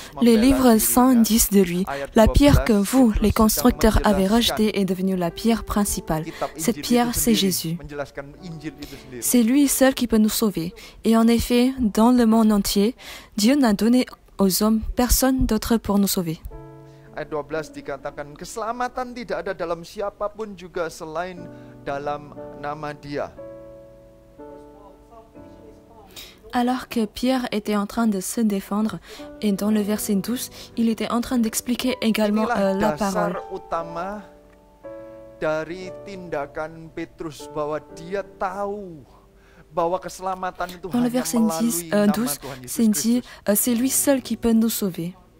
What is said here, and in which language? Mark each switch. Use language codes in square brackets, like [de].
[fr] Les livres saints disent de lui, la pierre que vous, les constructeurs, avez rejetée est devenue la pierre principale. Cette pierre, c'est Jésus. C'est lui seul qui peut nous sauver. Et en effet, dans le monde entier, Dieu n'a donné aux hommes personne d'autre pour nous sauver. [id] Ayat 12 dikatakan, keselamatan tidak ada dalam siapapun juga selain dalam nama Dia. [fr] Alors que Pierre était en train de se défendre, et dans le verset 12, il était en train d'expliquer également la parole. [id] Dasar utama dari tindakan Petrus bahwa dia tahu bahwa keselamatan itu [fr] dans le verset 12, c'est dit, c'est lui seul qui peut nous sauver.